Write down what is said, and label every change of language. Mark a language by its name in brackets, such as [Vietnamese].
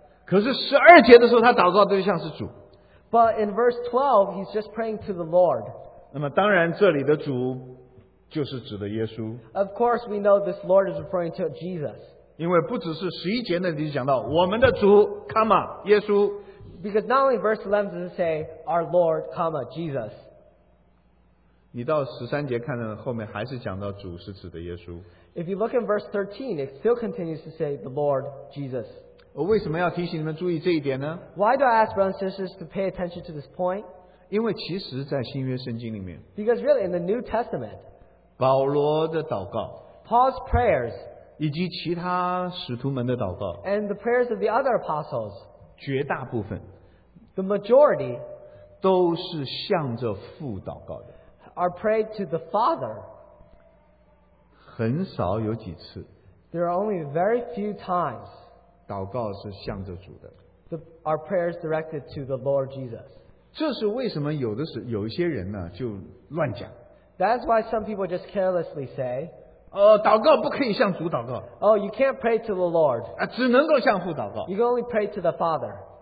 [Chinese] 可是十二节的时候他祷告的对象是主, [English] but in verse 12 he's just praying to the Lord. [Chinese] 那么当然这里的主就是指的耶稣, [English] of course we know this Lord is referring to Jesus, [Chinese] 因为不只是十一节那里讲到, 我们的主, comma, 耶稣, [English] because not only verse 11 does it say our Lord, comma, Jesus. [Chinese] 你到十三节看呢,后面还是讲到主是指的耶稣。 [English] If you look in verse 13, it still continues to say the Lord Jesus. [Chinese] 我为什么要提醒你们注意这一点呢? [English] Why do I ask brothers and sisters to pay attention to this point? [Chinese] 因为其实在新约圣经里面, [English] because really in the New Testament, [Chinese] 保罗的祷告, [English] Paul's prayers, [Chinese] 以及其他使徒们的祷告, [English] and the prayers of the other apostles, [Chinese] 绝大部分, [English] the majority, [Chinese] 都是向着父祷告的, [English] are prayed to the Father. [Chinese] 很少有几次, [English] there are only very few times, [Chinese] 祷告是向着主的, [English] our prayers directed to the Lord Jesus. [Chinese] 这是为什么有一些人呢, 就乱讲, [English] that's why some people just carelessly say, [Chinese] 祷告不可以向主祷告, [English] oh, you can't pray to the Lord, [Chinese] 只能够向父祷告, [English] you can only pray to the Father.